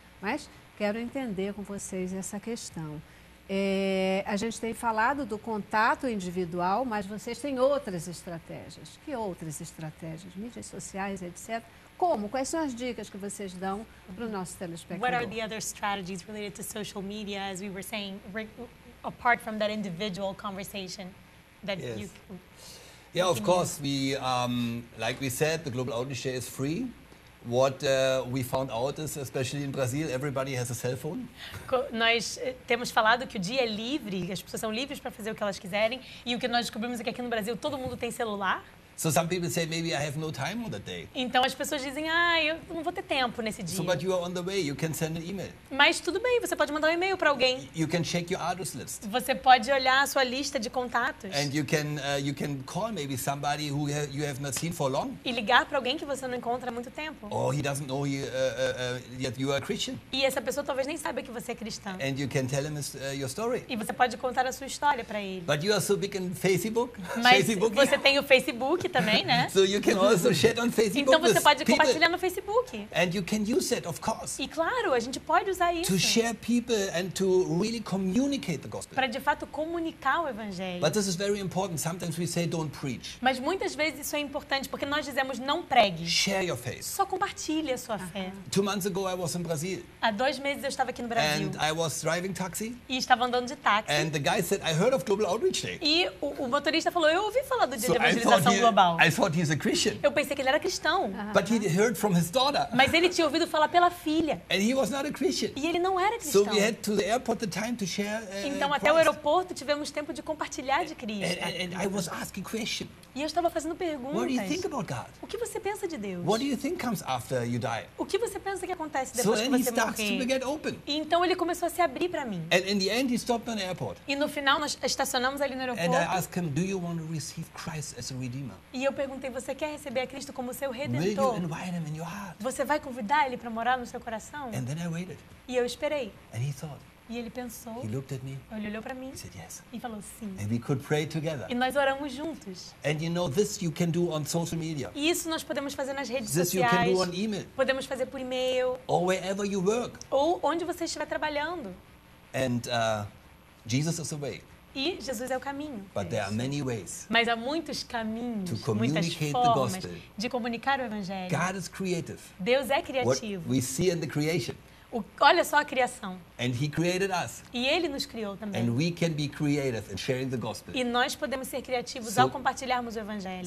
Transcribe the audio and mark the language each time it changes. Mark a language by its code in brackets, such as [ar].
[pt] Mas quero entender com vocês essa questão. A gente tem falado do contato individual, mas vocês têm outras estratégias. Que outras estratégias? Mídias sociais, etc. Como? Quais são as dicas que vocês dão para o nosso telespectador? [en] What are the other strategies related to social media, as we were saying, apart from that individual conversation that yes. you... Yeah, of course. We, like we said, the Global Outreach Day is free. What we found out is, especially in Brazil, everybody has a cell phone. [pt] Nós temos falado que o dia é livre, as pessoas são livres para fazer o que elas quiserem. E o que nós descobrimos é que aqui no Brasil todo mundo tem celular. [en] So some people say maybe I have no time on that day. [pt] Então as pessoas dizem, ah, eu não vou ter tempo nesse dia. [en] So, but you are on the way. You can send an email. [pt] Mas tudo bem, você pode mandar um e-mail para alguém. [en] You can check your address list. [pt] Você pode olhar a sua lista de contatos. [en] And you can call maybe somebody who you have not seen for long. [pt] E ligar para alguém que você não encontra há muito tempo. [en] Or he doesn't know yet you are a Christian. [pt] E essa pessoa talvez nem saiba que você é cristã. [en] And you can tell him your story. [pt] E você pode contar a sua história para ele. [en] But you are so big in Facebook. [pt] Mas [en] Facebook, [pt] você [en] yeah. [pt] tem o Facebook. Também, né? [en] So you can also share on Facebook. [pt] Então você pode compartilhar no Facebook. [en] And you can use it, of course. [pt] E claro, a gente pode usar isso. [en] To share people and to really communicate the gospel. [pt] Para de fato comunicar o evangelho. [en] But this is very important. Sometimes we say don't preach. [pt] Mas muitas vezes isso é importante porque nós dizemos não pregue. [en] Share your faith. [pt] Só compartilhe a sua fé. [en] 2 months ago I was in Brazil. [pt] Há 2 meses eu estava aqui no Brasil. [en] And I was driving taxi. [pt] E estava andando de táxi. [en] And the guy said I heard of Global Outreach Day. [pt] E o motorista falou, eu ouvi falar do dia [en] so [pt] de evangelização global. [en] I thought he's a Christian. [pt] Eu pensei que ele era cristão. [en] But he heard from his daughter. [pt] Mas ele tinha ouvido falar pela filha. [en] And he was not a Christian. [pt] E ele não era cristão. [en] So we had to the airport the time to share. [pt] Então até [en] Christ. [pt] O aeroporto tivemos tempo de compartilhar de Cristo. [en] And I was asking questions. [pt] E eu estava fazendo perguntas. [en] What do you think about God? [pt] O que você pensa de Deus? [en] What do you think comes after you die? [pt] O que você pensa que acontece depois [en] so [pt] que você morrer? [en] So then he starts to get open. [pt] E então ele começou a se abrir para mim. [en] And in the end he stopped at the airport. [pt] E no final nós estacionamos ali no aeroporto. [en] And I asked him, do you want to receive Christ as a redeemer? [pt] E eu perguntei, você quer receber a Cristo como seu Redentor? Você vai convidar Ele para morar no seu coração? [en] And then I waited. [pt] E eu esperei. [en] And he thought. [pt] E ele pensou. [en] He looked at me. [pt] Ele olhou para mim. [en] He said yes. [pt] E falou sim. [en] And we could pray together. [pt] E nós oramos juntos. [en] And you know, this you can do on social media. [pt] E isso nós podemos fazer nas redes [en] this [pt] sociais. [en] This you can do on email. [pt] Podemos fazer por e-mail. [en] Or wherever you work. [pt] Ou onde você estiver trabalhando. [en] And Jesus is the way. [pt] E Jesus é o caminho. [en] But there are many ways. [pt] Mas há muitos caminhos, [en] to communicate [pt] muitas formas [en] the gospel. [pt] De comunicar o evangelho. [en] God is creative. [pt] Deus é criativo. [en] What we see in the creation. [pt] Olha só a criação. [en] And he created us. [pt] E ele nos criou também. [en] And we can be creative in sharing the gospel. [pt] E nós podemos ser criativos ao compartilharmos o evangelho.